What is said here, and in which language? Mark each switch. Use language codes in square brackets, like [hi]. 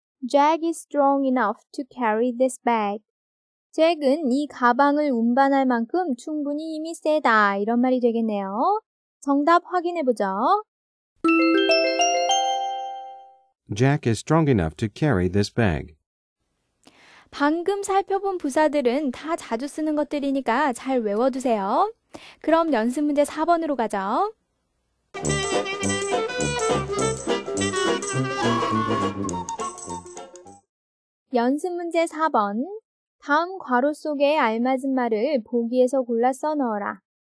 [en] Jack is strong enough to carry this bag. [ko] 잭은 이 가방을 운반할 만큼 충분히 힘이 세다 이런 말이 되겠네요. 정답 확인해보죠. [en] Jack is strong enough to carry this bag. [ko] 방금 살펴본 부사들은 다 자주 쓰는 것들이니까 잘 외워두세요. 그럼 연습 문제 4번으로 가죠. 연습 문제 4번. 다음 괄호 속에 알맞은 말을 보기에서 골라 써넣어라.